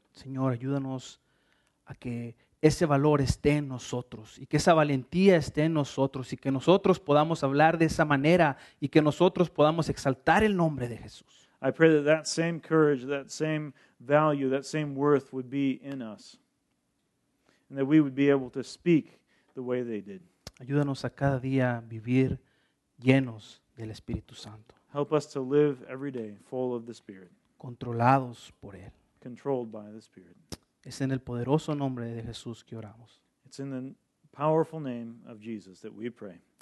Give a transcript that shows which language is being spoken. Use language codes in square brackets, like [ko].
[es] Señor, ayúdanos a que ese valor esté en nosotros y que esa valentía esté en nosotros y que nosotros podamos hablar de esa manera y que nosotros podamos exaltar el nombre de Jesús. [en] I pray that same courage, that same value, that same worth would be in us. And that we would be able to speak the way they did. [es] Ayúdanos a cada día vivir llenos del Espíritu Santo. [en] Help us to live every day full of the Spirit. [es] controlados por Él. [en] Controlled by the Spirit. [es] Es en el poderoso nombre de Jesús que oramos. [en] It's in the powerful name of Jesus that we pray.